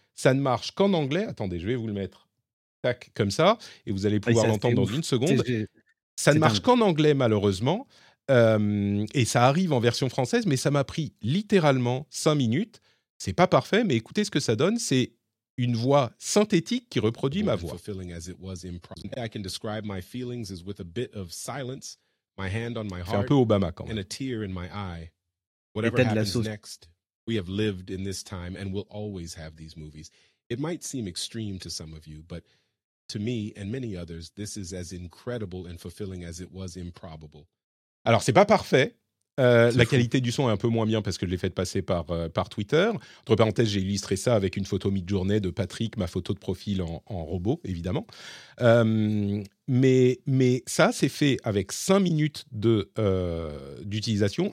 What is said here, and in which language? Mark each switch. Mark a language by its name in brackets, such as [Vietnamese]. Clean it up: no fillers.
[French] Ça ne marche qu'en anglais. Attendez, je vais vous le mettre tac, comme ça et vous allez pouvoir l'entendre dans une seconde. Ça ne marche qu'en anglais, malheureusement. Et ça arrive en version française, mais ça m'a pris littéralement 5 minutes. C'est pas parfait, mais écoutez ce que ça donne. C'est une voix synthétique qui reproduit ma voix. [English] Fulfilling as it was improv. I can describe my feelings as with a bit of silence, my hand on my heart, [French] un peu Obama quand même. [English] And a tear in my eye. Whatever happens next, we have lived in this time and will always have these movies. It might seem extreme to some of you, but to me and many others, this is as incredible and fulfilling as it was improbable. [French] Alors c'est pas parfait. La qualité du son est un peu moins bien parce que je l'ai fait passer par Twitter. Entre parenthèses, j'ai illustré ça avec une photo Midjourney de Patrick, ma photo de profil en robot, évidemment. Mais ça, c'est fait avec 5 minutes d'utilisation.